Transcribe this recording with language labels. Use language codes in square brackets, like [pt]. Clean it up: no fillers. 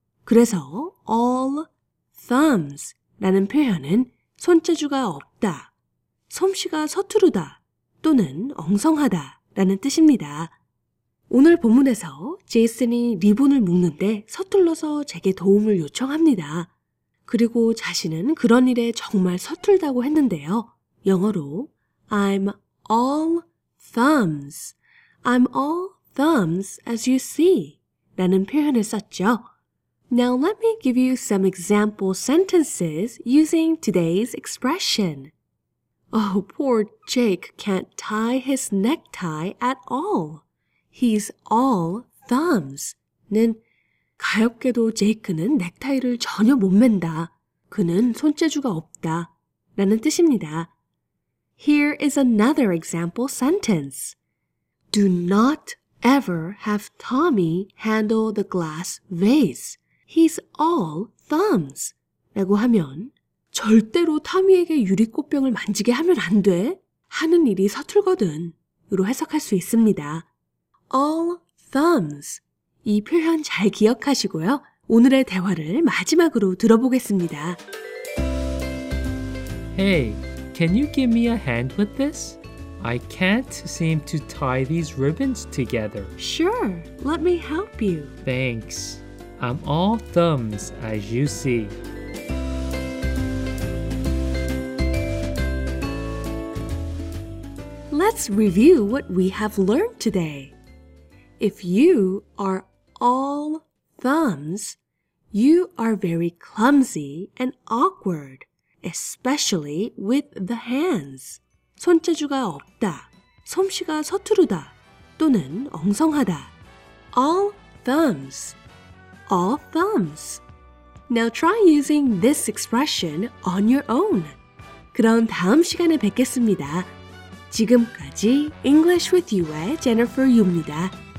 [ko] 그래서 all thumbs라는 표현은 손재주가 없다, 솜씨가 서투르다 또는 엉성하다 라는 뜻입니다. 오늘 본문에서 제이슨이 리본을 묶는데 서툴러서 제게 도움을 요청합니다. 그리고 자신은 그런 일에 정말 서툴다고 했는데요. 영어로 [en] I'm all thumbs. I'm all thumbs as you see. [ko] 라는 표현을 썼죠. [en] Now let me give you some example sentences using today's expression. Oh, poor Jake can't tie his necktie at all. He's all thumbs. [ko] 는 가엽게도 제이크는 넥타이를 전혀 못 맨다. 그는 손재주가 없다. 라는 뜻입니다. [en] Here is another example sentence. Do not ever have Tommy handle the glass vase. He's all thumbs. [ko] 라고 하면 절대로 타미에게 유리꽃병을 만지게 하면 안 돼. 하는 일이 서툴거든. 으로 해석할 수 있습니다. [en] All thumbs. [ko] 이 표현 잘 기억하시고요. 오늘의 대화를 마지막으로 들어보겠습니다. [en] Hey, can you give me a hand with this? I can't seem to tie these ribbons together. Sure, let me help you. Thanks. I'm all thumbs as you see. 'Let's review what we have learned today. If you are all thumbs, you are very clumsy and awkward, especially with the hands. [ko] 손재주가 없다, 솜씨가 서투르다, 또는 엉성하다. [en] All thumbs, all thumbs. Now try using this expression on your own. [ko] 그럼 다음 시간에 뵙겠습니다. 지금까지 English with You의 Jennifer Yu입니다.